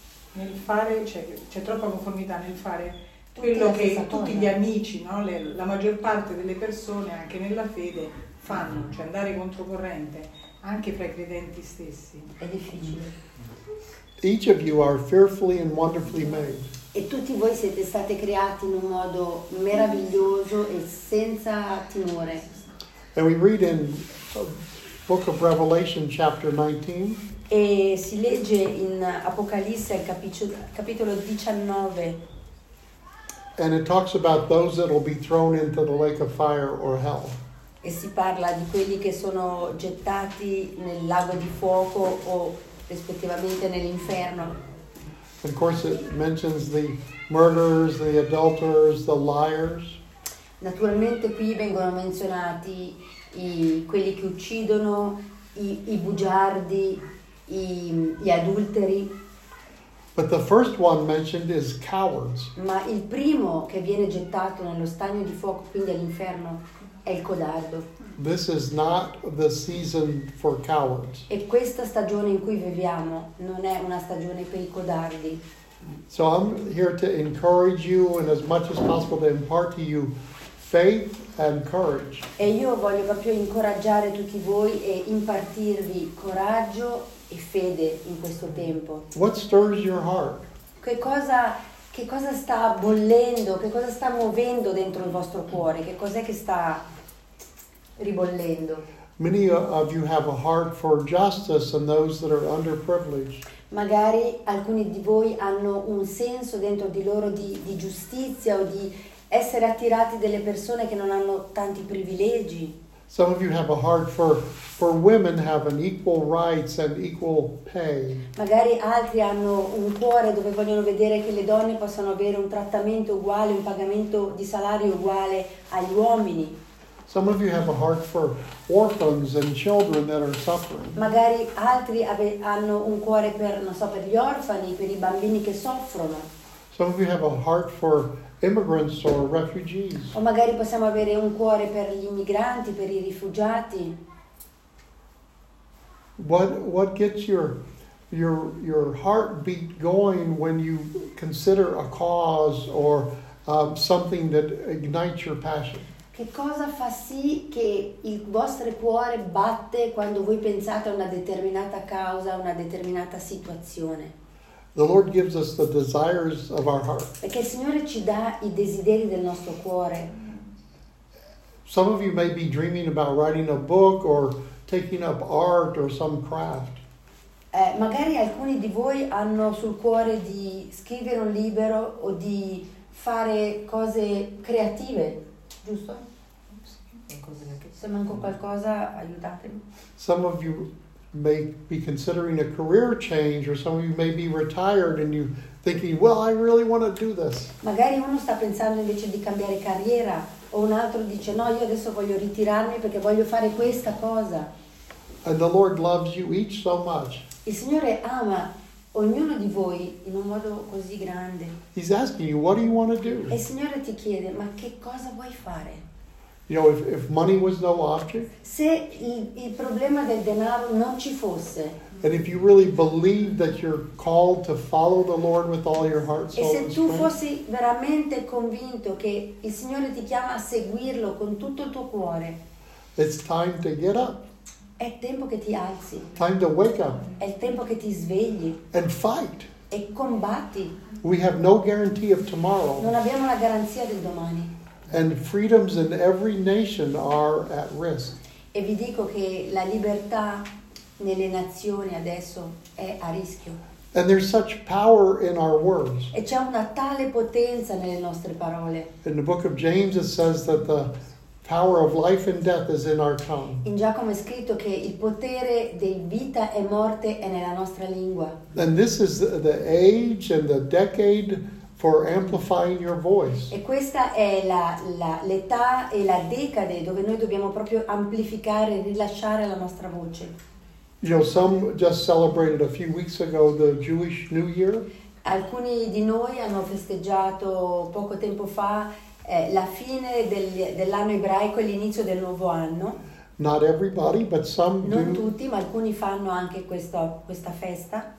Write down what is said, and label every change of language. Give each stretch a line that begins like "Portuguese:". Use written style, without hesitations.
Italian: Nel fare, c'è troppa conformità nel fare quello che tutti gli amici, no? La maggior parte delle persone anche nella fede fanno, cioè andare controcorrente anche fra i credenti stessi. È difficile.
English: Each of you are fearfully and wonderfully made.
Italian: E tutti voi siete stati creati in un modo meraviglioso e senza timore.
English: And we read in the book of Revelation chapter 19.
Italian: E si legge in Apocalisse capitolo 19.
English: And it talks about those that will be thrown into the lake of fire or hell.
Italian: E si parla di quelli che sono gettati nel lago di fuoco o rispettivamente nell'inferno.
English: Of course it mentions the murderers, the adulterers, the liars.
Italian: Naturalmente qui vengono menzionati quelli che uccidono, i bugiardi, gli adulteri.
English: But the first one mentioned is cowards.
Italian: Ma il primo che viene gettato nello stagno di fuoco, quindi all'inferno, è il codardo.
English: This is not the season for cowards.
Italian: E questa stagione in cui viviamo non è una stagione per i codardi.
English: So I'm here to encourage you and as much as possible to impart to you faith and courage.
Italian: E io voglio proprio incoraggiare tutti voi e impartirvi coraggio e fede in questo tempo.
English: What stirs your heart?
Italian: Che cosa sta bollendo? Che cosa sta muovendo dentro il vostro cuore? Che cos'è che sta ribollendo?
English: Many of you have a heart for justice and those that are underprivileged.
Italian: Magari alcuni di voi hanno un senso dentro di loro di giustizia o di essere attirati delle persone che non hanno tanti privilegi.
English: Some of you have a heart for women having equal rights and equal pay.
Italian: Magari altri hanno un cuore dove vogliono vedere che le donne possano avere un trattamento uguale, un pagamento di salario uguale agli uomini.
English: Some of you have a heart for orphans and children that are suffering.
Italian: Magari altri hanno un cuore per, non so, per gli orfani, per i bambini che soffrono.
English: Some of you have a heart for immigrants or refugees.
Italian: O magari possiamo avere un cuore per gli immigranti, per I rifugiati.
English: What gets your heart beat going when you consider a cause or something that ignites your passion?
Italian: Che cosa fa sì che il vostro cuore batte quando voi pensate a una determinata causa, a una determinata situazione?
English: The Lord gives us the desires of our heart.
Italian: Perché il Signore ci dà I desideri del nostro cuore.
English: Some of you may be dreaming about writing a book or taking up art or some craft.
Italian: Magari alcuni di voi hanno sul cuore di scrivere un libro o di fare cose creative, giusto? Se manco qualcosa, aiutatemi.
English: Some of you may be considering a career change, or some of you may be retired and you thinking, well, I really want to do this.
Italian: Magari uno sta pensando invece di cambiare carriera, o un altro dice, no, io adesso voglio ritirarmi perché voglio fare questa cosa.
English: And the Lord loves you each so much.
Italian: Il Signore ama ognuno di voi in un modo così grande.
English: He's asking you, what do you want to do?
Italian: E il Signore ti chiede, ma che cosa vuoi fare?
English: You know, if money was no object,
Italian: se il problema del denaro non ci fosse,
English: and if you really believe that you're called to follow the Lord with all your heart, soul,
Italian: e se
English: and
Italian: tu
English: strength,
Italian: fossi veramente convinto che il Signore ti chiama a seguirlo con tutto il tuo cuore,
English: it's time to get up.
Italian: È tempo che ti alzi.
English: Time to wake up.
Italian: È il tempo che ti svegli.
English: And fight.
Italian: E combatti.
English: We have no guarantee of tomorrow.
Italian: Non abbiamo la garanzia del domani.
English: And freedoms in every nation are at risk.
Italian: E vi dico che la libertà nelle nazioni adesso è a rischio.
English: And there's such power in our words.
Italian: E c'è una tale potenza nelle nostre parole.
English: In the book of James it says that the power of life and death is in our tongue.
Italian: In Giacomo è scritto che il potere di vita e morte è nella nostra lingua.
English: And this is the age and the decade for amplifying your voice.
Italian: E questa è l'età e la decade dove noi dobbiamo proprio amplificare e rilasciare la nostra voce.
English: You know, some just celebrated a few weeks ago the Jewish New Year.
Italian: Alcuni di noi hanno festeggiato poco tempo fa la fine dell'anno ebraico e l'inizio del nuovo anno.
English: Not everybody, but some
Italian: non do. Non tutti, ma alcuni fanno anche questa festa.